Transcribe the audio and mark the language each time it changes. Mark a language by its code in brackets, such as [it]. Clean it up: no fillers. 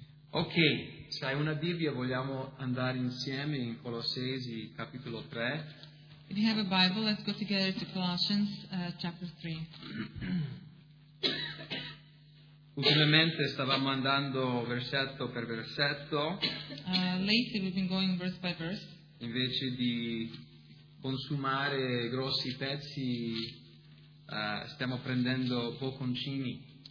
[it] Ok, se hai una Bibbia vogliamo andare insieme in Colossesi capitolo 3. [en] If you have a Bible, let's go together to Colossians chapter 3. [it] Ultimamente stavamo andando versetto per versetto. [en] Lately we've been going verse by verse. [it] Invece di consumare grossi pezzi, stiamo prendendo bocconcini.